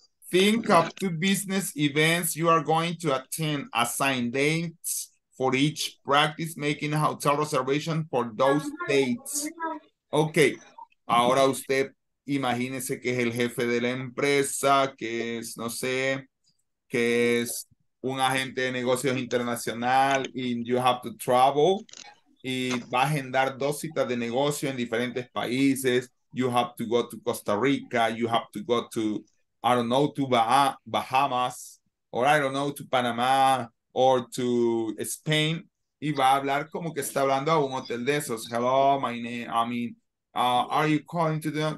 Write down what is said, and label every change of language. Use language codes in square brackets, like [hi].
[en] Think of 2 business events you are going to attend. Assign dates for each. Practice making a hotel reservation for those dates. [es] Okay. Ahora usted. Imagínese que es el jefe de la empresa, que es, no sé, que es un agente de negocios internacional y [en] you have to travel [es] y va a agendar 2 citas de negocio en diferentes países. [en] You have to go to Costa Rica, you have to go to, I don't know, to Bahamas, or I don't know, to Panamá, or to Spain. [es] Y va a hablar como que está hablando a un hotel de esos. [en] Hello, my name, I mean, are you calling to them?